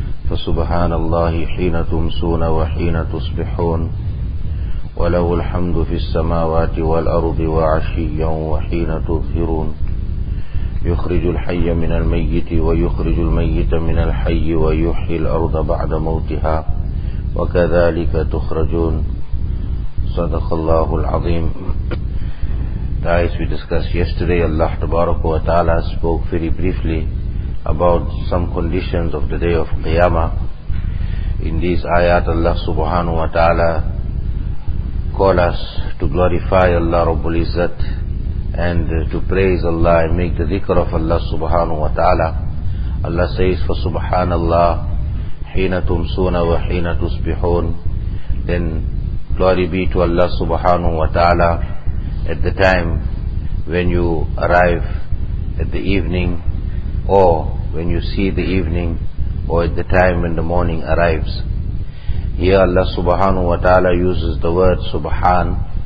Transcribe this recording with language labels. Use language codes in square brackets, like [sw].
[ar] فسبحان الله حين تمسون وحين تصبحون وله الحمد في السماوات والأرض وعشيا وحين تظهرون. يخرج الحي من الميت ويخرج الميت من الحي ويحيي الأرض بعد موتها وكذلك تخرجون. صدق الله العظيم. [en] Guys, we discussed yesterday, Allah Tabaraka wa Ta'ala spoke very briefly about some conditions of the day of Qiyamah. In these ayat, Allah Subhanahu wa Ta'ala call us to glorify Allah Rabbul Izzat and to praise Allah and make the dhikr of Allah Subhanahu wa Ta'ala. Allah says, [ar] فَسُبْحَانَ اللَّهِ حِينَ تُمْسُونَ وَحِينَ تُصْبِحُونَ. [en] Then glory be to Allah Subhanahu wa Ta'ala at the time when you arrive at the evening, or when you see the evening, or at the time when the morning arrives. Here Allah Subhanahu wa Ta'ala uses the word Subhan.